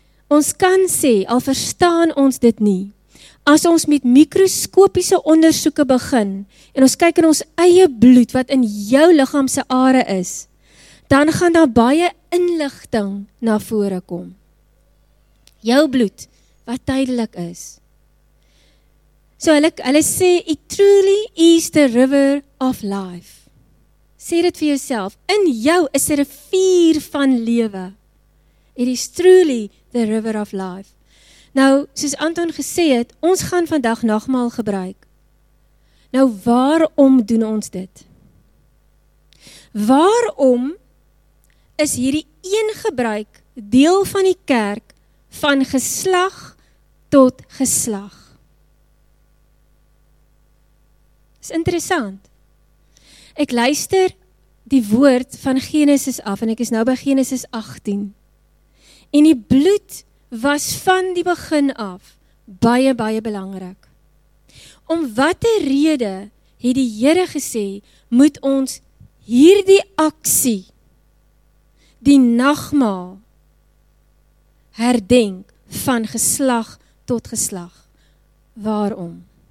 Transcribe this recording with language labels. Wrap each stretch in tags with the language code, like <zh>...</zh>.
<af>Ons kan sê, al verstaan ons dit nie, as ons met mikroskopiese ondersoeke begin en ons kyk in ons eie bloed wat in jou liggaam se are is, dan gaan daar baie inligting na vore kom. Jou bloed wat tydelik is. So hulle sê,</af> <en>"It truly is the river of life."</en> <af>Sê dit vir jouself, in jou is 'n rivier van lewe.</af> <en>It is truly the river of life.</en> <af>Nou, soos Anton gesê het, ons gaan vandag nagmaal gebruik. Nou, waarom doen ons dit? Waarom is hierdie een gebruik deel van die kerk van geslag tot geslag? Dis interessant. Ek luister die woord van Genesis af en ek is nou by Genesis 18. En die bloed was van die begin af baie, baie belangrik. Om watter rede het die Here gesê, moet ons hierdie aksie, die nagmaal, herdenk van geslag tot geslag. Waarom?</af>